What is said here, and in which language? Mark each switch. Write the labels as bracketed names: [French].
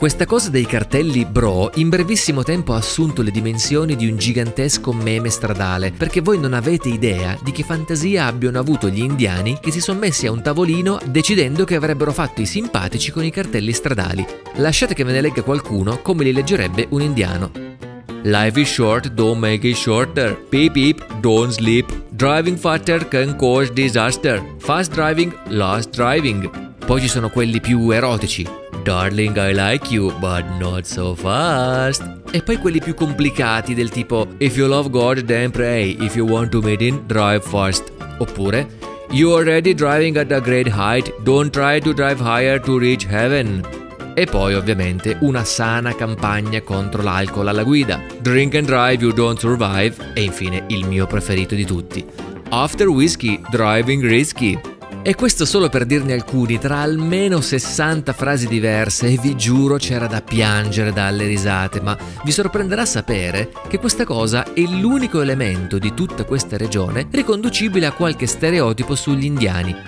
[Italian] Questa cosa dei cartelli bro in brevissimo tempo ha assunto le dimensioni di un gigantesco meme stradale, perché voi non avete idea di che fantasia abbiano avuto gli indiani che si sono messi a un tavolino decidendo che avrebbero fatto i simpatici con i cartelli stradali. Lasciate che ve ne legga qualcuno come li leggerebbe un indiano. [English] Life is short, don't make it shorter. Peep peep, don't sleep. Driving faster can cause disaster. Fast driving, last driving. [Italian] Poi ci sono quelli più erotici. [English] Darling, I like you, but not so fast. [Italian] E poi quelli più complicati del tipo [English] if you love God, then pray. If you want to meet him, drive fast. Oppure you already driving at a great height, don't try to drive higher to reach heaven. [Italian] E poi ovviamente una sana campagna contro l'alcol alla guida. [English] Drink and drive, you don't survive. [Italian] E infine il mio preferito di tutti. [English] After whiskey, driving risky. [Italian] E questo solo per dirne alcuni tra almeno 60 frasi diverse, e vi giuro c'era da piangere dalle risate, ma vi sorprenderà sapere che questa cosa è l'unico elemento di tutta questa regione riconducibile a qualche stereotipo sugli indiani.